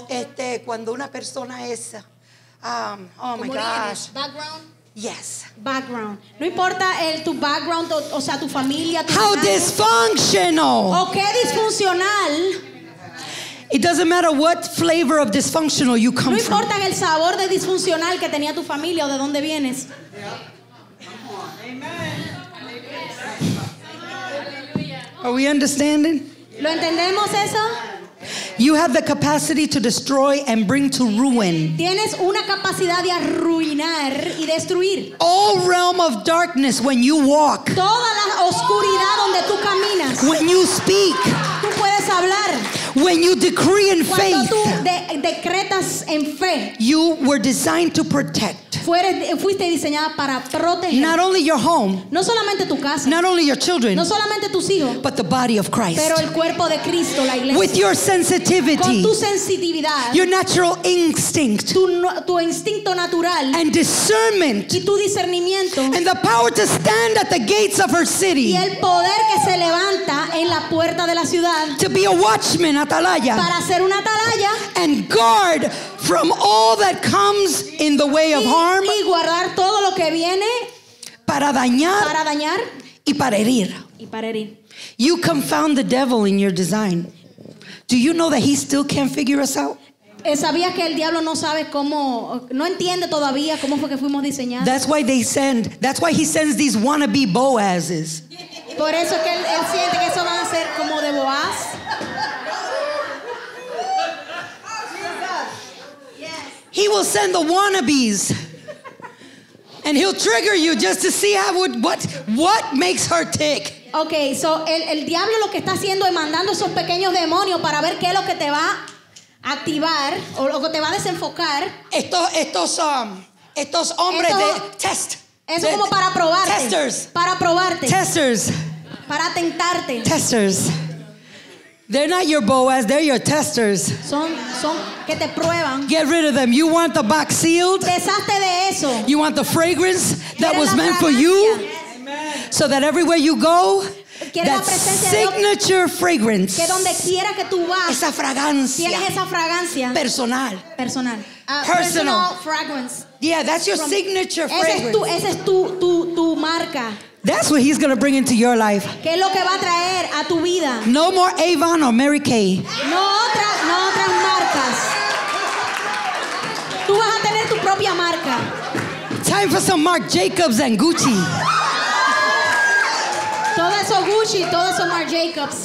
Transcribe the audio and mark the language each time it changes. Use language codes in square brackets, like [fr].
[es] este cuando una persona es oh como [en] my gosh. Lineage. Background. Yes. [es] Background. No importa el tu background, o sea, tu familia, tu [en] how general. Dysfunctional. [es] O qué disfuncional. [en] It doesn't matter what flavor of dysfunctional you come from. [es] No importa el sabor de disfuncional que tenía tu familia o de dónde vienes. [en] Amen. Are we understanding? [es] ¿Lo entendemos eso? [en] You have the capacity to destroy and bring to ruin. [es] Tienes una capacidad de arruinar y destruir. [en] All realm of darkness when you walk. [es] Toda la oscuridad donde tú caminas. [en] When you speak. [es] Tú puedes hablar. [en] When you decree in faith. [es] Cuando tú decretas en fe. [en] You were designed to protect. [es] Fuiste diseñada para proteger. [en] Not only your home. [es] No solamente tu casa. [en] Not only your children. [es] No solamente tus hijos. [en] But the body of Christ. [es] Pero el cuerpo de Cristo, la iglesia. [en] With your sensitivity. [es] Con tu sensitividad. [en] Your natural instinct. [es] Tu instinto natural. [en] And discernment. [es] Y tu discernimiento. [en] And the power to stand at the gates of her city. [es] Y el poder que se levanta en la puerta de la ciudad. [en] To be a watchman, atalaya. [es] Para ser una atalaya. [en] And guard from all that comes in the way of harm. [es] Y guardar todo lo que viene para dañar, para dañar y para herir. Y para herir. [en] You confound the devil in your design. Do you know that he still can't figure us out? [es] ¿Sabías que el diablo no sabe cómo, no entiende todavía cómo fue que fuimos diseñados? [en] That's why they send. That's why he sends these wannabe Boazes. [es] Por eso que él siente que eso van a ser como de Boaz. [en] He will send the wannabes, and he'll trigger you just to see how would what makes her tick. Okay, so [es] el diablo lo que está haciendo es mandando esos pequeños demonios para ver qué es lo que te va a activar o lo que te va a desenfocar. Estos hombres de test. Eso como para probarte. [en] Testers. [es] Para probarte. [en] Testers. [es] Para tentarte. [en] Testers. They're not your Boaz, they're your testers. [es] Son que te prueban. [en] Get rid of them. You want the box sealed? [es] Deshazte de eso. [en] You want the fragrance that was meant for you? Yes. So that everywhere you go, that signature fragrance. [es] Que donde quiera que tú vas. Esa fragancia. Tienes esa fragancia. Personal. Personal. [en] Personal fragrance. Yeah, that's your signature fragrance. [es] Esa es tu marca. [en] That's what he's going to bring into your life. [es] ¿Qué es lo que va a traer a tu vida? [en] No more Avon or Mary Kay. [es] No otras marcas. Tú vas a tener tu propia marca. [en] Time for some Marc Jacobs and Gucci. [es] Todo eso Gucci, todo eso Marc Jacobs.